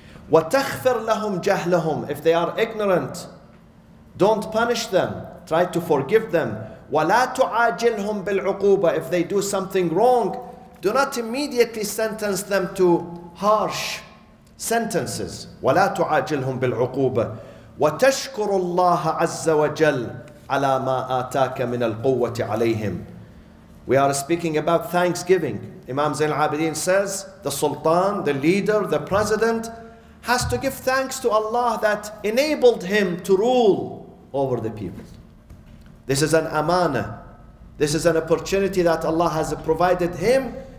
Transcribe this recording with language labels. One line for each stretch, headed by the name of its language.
Arabic: وَتَخْفِرْ لَهُمْ جَهْلَهُمْ
English: If they are ignorant, don't punish them. Try to forgive them.
Arabic: وَلَا تُعَاجِلْهُمْ بِالْعُقُوبَ
English: If they do something wrong, do not immediately sentence them to harsh sentences.
Arabic: وَلَا تُعَاجِلْهُمْ بِالْعُقُوبَ وَتَشْكُرُ اللَّهَ عَزَّ وَجَلْ عَلَى مَا آتَاكَ مِنَ الْقُوَّةِ عَلَيْهِمْ
English: We are speaking about thanksgiving. Imam Zain al-Abideen says, the Sultan, the leader, the president, has to give thanks to Allah that enabled him to rule over the people. This is an amana. This is an opportunity that Allah has provided him.